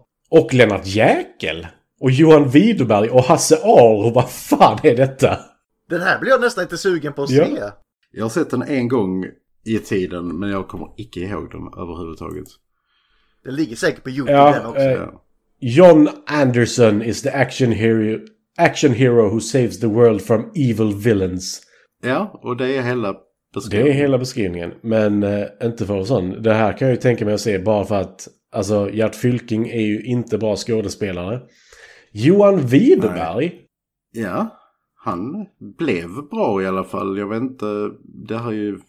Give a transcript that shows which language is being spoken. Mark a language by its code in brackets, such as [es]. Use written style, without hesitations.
[sv] Och Lennart Jäkel och Johan Widerberg och Hasse Ahl. Och vad fan är detta? Den här blir jag nästan inte sugen på att se. Jag har sett den en gång i tiden, men jag kommer inte ihåg dem överhuvudtaget. Den ligger säkert på YouTube den också. [en] John Anderson is the action hero who saves the world from evil villains. [sv] Ja, och det är hela beskrivningen. Det är hela beskrivningen, men inte för sån. Det här kan jag ju tänka mig att se bara för att alltså, Gert Fylking är ju inte bra skådespelare. Johan Widerberg? Ja, han blev bra i alla fall. Jag vet inte, det har ju...